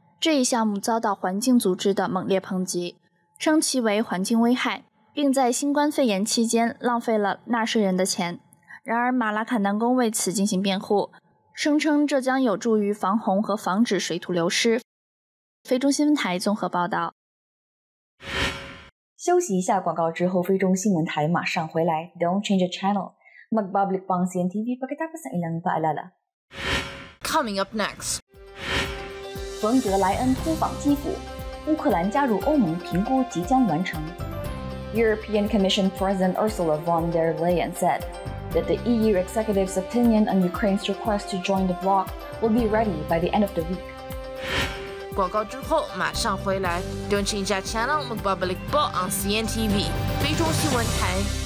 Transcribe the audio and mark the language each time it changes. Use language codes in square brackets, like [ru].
[zh] 这一项目遭到环境组织的猛烈抨击，称其为环境危害，并在新冠肺炎期间浪费了纳税人的钱。然而马拉卡南宫为此进行辩护，声称这将有助于防洪和防止水土流失。菲中新闻台综合报道。休息一下广告之后，菲中新闻台马上回来。 [en] Don't change the channel. [tl] Magbablik pang CNTV pagkatapos ng ilang paalala. [en] Coming up next. [zh] 冯德莱恩突访基辅，乌克兰加入欧盟评估即将完成。 [en] European Commission President Ursula von der Leyen said that the EU executive's opinion on Ukraine's request to join the bloc will be ready by the end of the week. [zh] 广告之后马上回来。 [en] Don't change that channel. [tl] Magbabalik po ang CNTV [zh] 菲中新闻台。